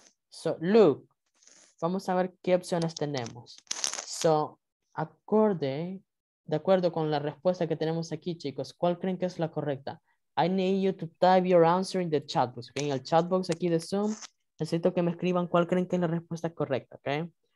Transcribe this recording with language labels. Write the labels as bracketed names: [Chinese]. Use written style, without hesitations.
[English] So look, [Spanish] vamos a ver qué opciones tenemos. So, de acuerdo con la respuesta que tenemos aquí, chicos, ¿cuál creen que es la correcta? [English] I need you to type your answer in the chat box. [Spanish] Okay? En el chat box aquí de Zoom, necesito que me escriban cuál creen que es la respuesta correcta, okay?